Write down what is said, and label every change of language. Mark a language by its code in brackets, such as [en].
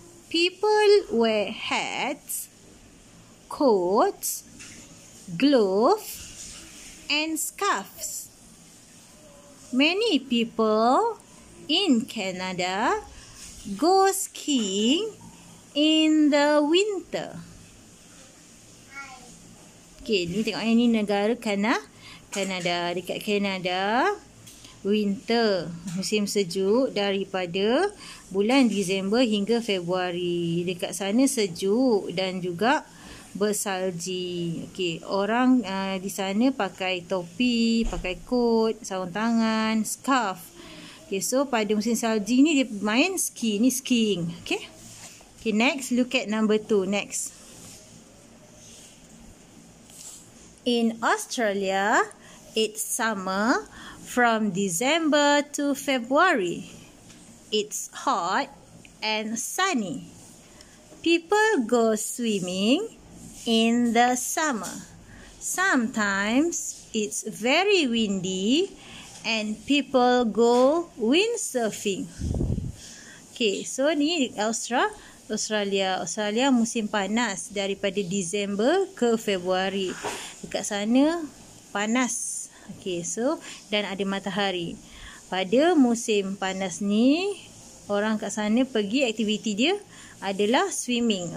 [en] People wear hats, coats, gloves, and scarves. Many people in Canada go skiing in the winter. [ms] Okay, ni tengok ni negara Kanada. Dekat Kanada, winter, musim sejuk daripada bulan Disember hingga Februari. Dekat sana sejuk dan juga bersalji. Okay, orang di sana pakai topi, pakai coat, sarung tangan, scarf. Okay, so pada musim salji ni dia main ski, ni skiing. Okay. [en] Okay, next, look at number 2. Next. In Australia, it's summer from December to February. It's hot and sunny. People go swimming in the summer. Sometimes it's very windy and people go windsurfing. [ms] Okay, so ni Australia. Australia musim panas daripada Disember ke Februari. Dekat sana panas. Okay, so dan ada matahari. Pada musim panas ni, orang kat sana pergi aktiviti dia adalah swimming.